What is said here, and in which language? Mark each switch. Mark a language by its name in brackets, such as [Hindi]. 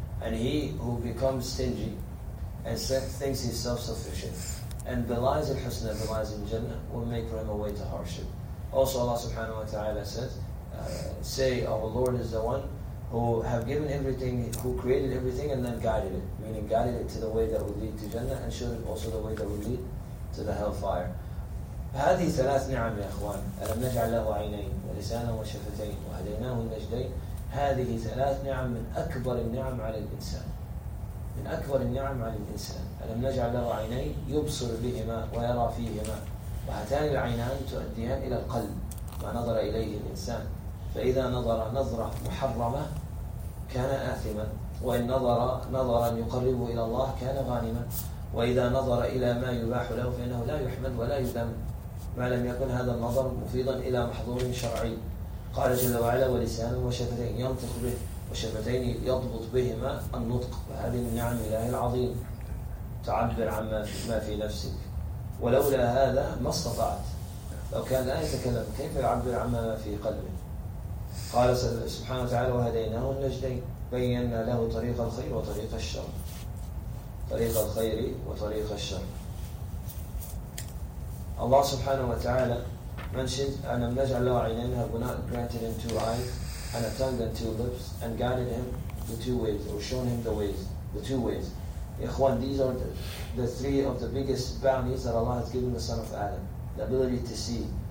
[English] And he who becomes stingy, and thinks he's self-sufficient and belies in husna belies in Jannah will make for him a way to hardship also Allah subhanahu wa ta'ala says say our Lord is the one who have given everything who created everything and then guided it meaning guided it to the way that would lead to Jannah and showed it also the way that would lead to the hellfire [Arabic] هذه ثلاث نعم يا أخوان ألم نجعل له عينين ولسانا وشفتين وهديناه النجدين هذه ثلاث نعم من أكبر النعم على الإنسان، من أكبر النعم على الإنسان. ألم نجعل له عينين يبصر بهما ويرى فيهما، وهاتان العينان تؤديان إلى القلب ما نظر إليه الإنسان، فإذا نظر نظرة محرمة كان آثما، وإن نظر نظرا يقرب إلى الله كان غانما، وإذا نظر إلى ما يباح له فإنه لا يحمد ولا يذم ما لم يكن هذا النظر مفيدا إلى محظور شرعي. قال جل وعلا: ولسان وشفتين ينطق به، وشفتين يضبط بهما النطق، وهذه من نعم الله العظيم، تعبر عما في نفسك. ولولا هذا ما استطعت، لو كان لا يتكلم كيف يعبر عما في قلبه. قال سبحانه وتعالى: وهديناه النجدين بينا له طريق الخير وطريق الشر، طريق الخير وطريق الشر. [English] الله سبحانه وتعالى mentioned [Arabic] أن نجعل له عينين، [English] have not granted him two eyes and a tongue and two lips and guided him the two ways or shown him the ways, the two ways. إخوان, these are the three of the biggest bounties that Allah has given the son of Adam, the ability to see.